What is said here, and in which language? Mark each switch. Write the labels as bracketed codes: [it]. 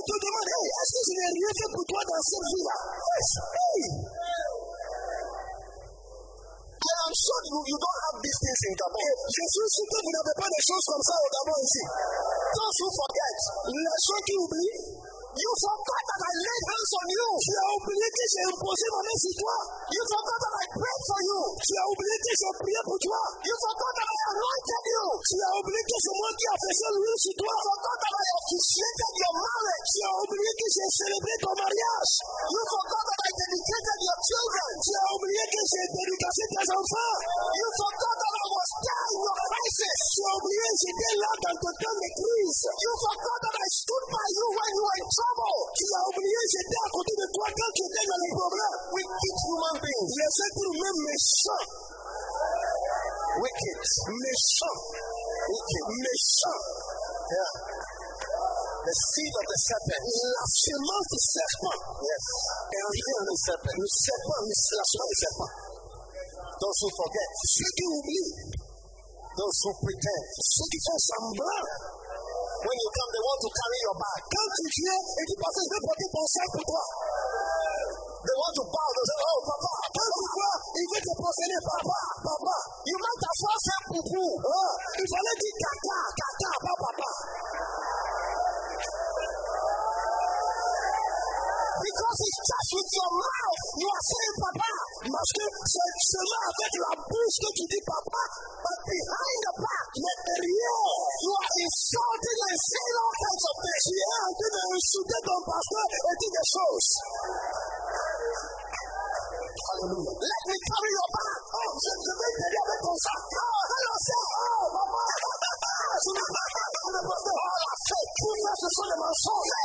[fr] Tu te demandes, hey, est-ce que je n'ai rien fait pour toi dans cette vie-là? [en] Yes. Hey. And I'm sure you don't have these things in Gabon. [fr] Je suis sûr que vous n'avez pas des choses comme ça au Gabon ici. [en] Those who forget, [fr] les gens qui oublient, [en] you forgot that I laid hands on you. [fr] Tu as oublié que j'ai imposé ma main sur toi. [en] You forgot that I prayed for you. [fr] Tu as oublié que j'ai prié pour toi. [en] You forgot that I anointed you. [fr] Tu as oublié que c'est moi qui ai fait ça lui sur toi. [en] You forgot that I officiated your marriage. [fr] Tu as oublié que j'ai célébré ton mariage. [en] You forgot that I dedicated your children. [fr] Tu as oublié que j'ai dédicacé tes enfants. [en] You forgot that I was there in your crisis. [fr] Tu as oublié que j'étais là dans ton temps de crise. [en] You forgot that I stood by you when you were. [fr] Tu as oublié, j'étais à côté de toi quand tu étais dans les problèmes. [en] Wicked human beings. [fr] Les êtres humains méchants. [en] Wicked. [fr] Méchants. [en] Wicked. [fr] Méchants. [en] Yeah. The seed of the serpent. [fr] La semence du serpent. [en] Yes. [fr] Et rien dans le serpent. Le serpent, la semence du serpent. [en] Those who forget. [fr] Ceux qui oublient. [en] Those who pretend. [fr] Ceux qui font semblant. [en] When you come, they want to carry your bag. [fr] Quand tu viens et tu passes, ils veulent porter ton sac pour toi. [en] They want to bow. They say, oh, papa. [fr] Quand tu vois, ils veulent te posséder. Papa, papa. [en] You might as well say, poupou. [fr] Il fallait dire, caca, caca, papa, papa. [en] Because it's just with your mouth, you are saying, papa. [fr] Parce que c'est seulement avec la bouche que tu dis, papa. [en] But behind the back, [fr] mais derrière, [en] you are insulting and saying all kinds of things. [fr] Tu es en train d'insulter ton pasteur et dire des choses. [en] Hallelujah. Let me carry your bag. [fr] Oh, je vais t'aider avec ton sac. [en] Oh, hello, sir. [fr] Oh, papa. Je ne peux pas faire le pasteur. Oh, la fête. Tout ça, ce sont des mensonges.